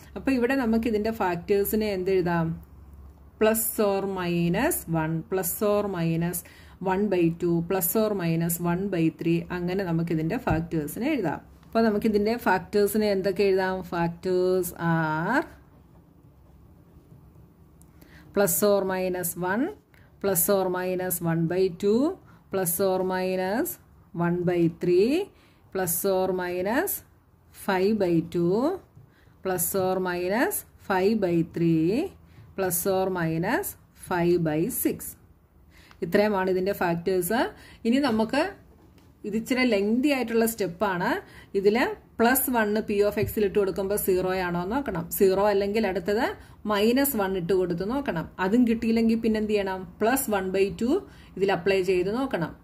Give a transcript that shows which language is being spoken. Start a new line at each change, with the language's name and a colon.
Malayalam: അപ്പോൾ ഇവിടെ നമുക്ക് ഇതിൻ്റെ ഫാക്ടേഴ്സിനെ എന്തെഴുതാം? Plus or minus one, plus or minus one by two, plus or minus one by three, അങ്ങനെ നമുക്കിതിൻ്റെ ഫാക്ടേഴ്സിനെ എഴുതാം. അപ്പോൾ നമുക്കിതിൻ്റെ ഫാക്ടേഴ്സിനെ എന്തൊക്കെ എഴുതാം?
English: Factors are plus or minus 1, plus or minus 1 by 2, plus or minus 1 by 3, plus or minus 5 by 2, plus or minus 5 by 3, plus or minus 5 by 6.
Malayalam: ഇത്രയുമാണ് ഇതിന്റെ factors. ഇനി നമുക്ക് ഇത് ഇച്ചിരി ലെങ്തി ആയിട്ടുള്ള സ്റ്റെപ്പാണ്. ഇതിൽ പ്ലസ് വണ്ണ് പി ഓഫ് എക്സിൽ ഇട്ട് കൊടുക്കുമ്പോൾ സീറോ ആണോ എന്ന് നോക്കണം. സീറോ അല്ലെങ്കിൽ അടുത്തത് മൈനസ് വൺ ഇട്ട് കൊടുത്ത് നോക്കണം. അതും കിട്ടിയില്ലെങ്കിൽ പിന്നെ എന്ത് ചെയ്യണം, പ്ലസ് വൺ ബൈ ടു ഇതിൽ അപ്ലൈ ചെയ്ത് നോക്കണം.